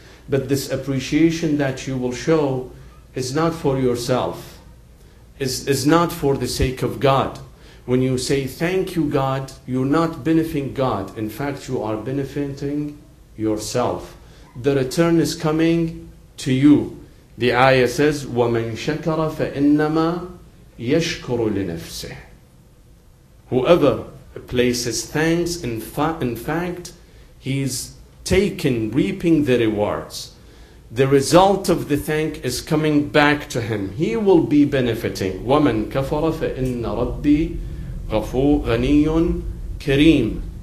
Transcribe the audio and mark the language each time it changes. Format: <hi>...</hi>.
<en>But this appreciation that you will show is not for yourself. It's not for the sake of God. When you say thank you God, you're not benefiting God. In fact, you are benefiting yourself. The return is coming to you. The ayah says,</en> <ar>وَمَنْ شَكَرَ فَإِنَّمَا يَشْكُرُ لِنَفْسِهِ.</ar> <en>Whoever places thanks, in fact, he's taken, reaping the rewards. The result of the thank is coming back to him. He will be benefiting.</en> <ar>وَمَنْ كَفَرَ فَإِنَّ رَبِّي غَفُورٌ غَنِيٌّ كَرِيمٌ.</ar>